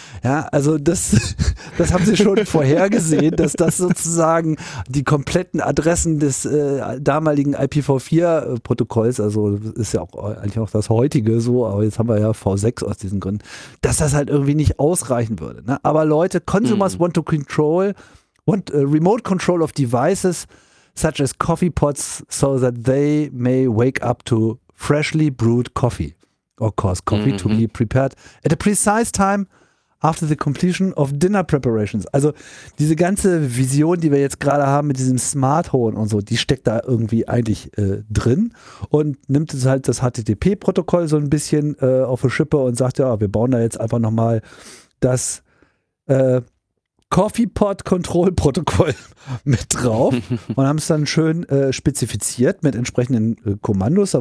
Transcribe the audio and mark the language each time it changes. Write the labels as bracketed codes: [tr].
[de] Ja, also das haben sie schon vorhergesehen, dass das sozusagen die kompletten Adressen des damaligen IPv4-Protokolls, also ist ja auch eigentlich auch das heutige so, aber jetzt haben wir ja V6 aus diesen Gründen, dass das halt irgendwie nicht ausreichen würde. Ne? Aber Leute, [en] consumers want to control, want remote control of devices such as coffee pots so that they may wake up to freshly brewed coffee or cause coffee to be prepared at a precise time after the completion of dinner preparations. [de] Also diese ganze Vision, die wir jetzt gerade haben mit diesem Smart Home und so, die steckt da irgendwie eigentlich drin und nimmt jetzt halt das HTTP-Protokoll so ein bisschen auf die Schippe und sagt, ja, wir bauen da jetzt einfach nochmal das Coffee-Pot-Control-Protokoll mit drauf und haben es dann schön spezifiziert mit entsprechenden Kommandos.